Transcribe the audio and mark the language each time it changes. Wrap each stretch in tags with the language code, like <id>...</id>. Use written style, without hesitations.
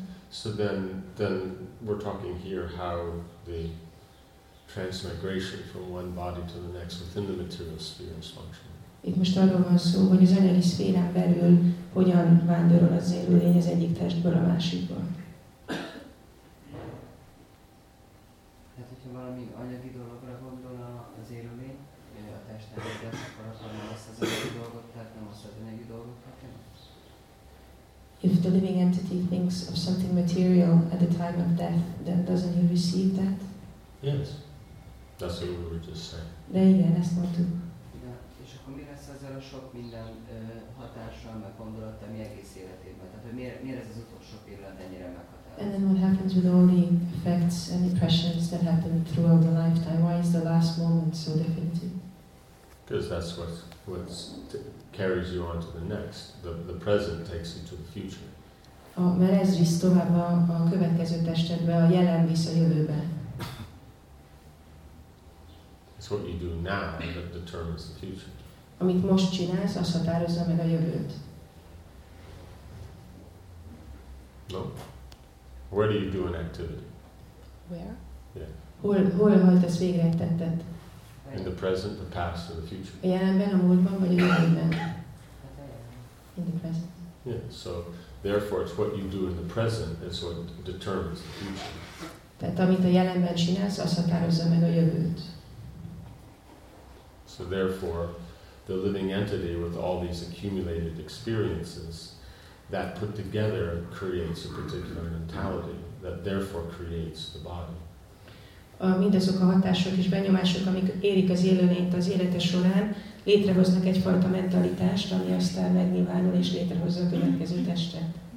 <en>So then we're talking here how the transmigration from one body to the next within the material sphere is functioning.</en> <hu>Itt most arról van szó, hogy az anyagi szférán belül hogyan vándorol az élőlény az egyik testből a másikba. Hát, hogyha valami anyagi dologra gondol az élőlény, a testnek egy lesz, akkor nem azt az anyagi dolgot, tehát nem azt az anyagi dolgot kapja.</hu> <en>If the living entity thinks of something material at the time of death, then doesn't he receive that? Yes. That's what we were just saying.</en> <hu>De igen, ezt mondtuk. Akkor mi lesz ezzel a sok minden hatással, meg gondolattal mi egész életében? Tehát hogy miért ez az utolsó pillanat ennyire meghatározó?</hu> <en>And then what happens with all the effects and impressions that happen throughout the lifetime? Why is the last moment so definitive? Because that's what carries you on to the next. The present takes you to the future.</en> <hu>Mert ez visz tovább a következő testedbe, a jelen visz a jövőbe.</hu> <en>It's what you do now that determines the future.</en> <hu>Amit most csinálsz, az határozza meg a jövőt.</hu> <en>No. Where do you do an activity? Where? Yeah.</en> <hu>Hol hajtasz végre egy tettet?</hu> <en>In the present, the past, or the future?</en> <hu>A jelenben, a múltban, vagy a jövőben?</hu> <en>In the present. Yeah, so therefore it's what you do in the present is what determines the future.</en> <hu>Tehát amit a jelenben csinálsz, az határozza meg a jövőt.</hu> <en>So therefore, the living entity with all these accumulated experiences that put together creates a particular mentality that therefore creates the body.</en> <hu>Mindazok a hatások és benyomások, amik érik az élőlényt az élete során, létrehoznak egyfajta mentalitást, ami aztán megnyilvánul és létrehozza a következő testet.</hu>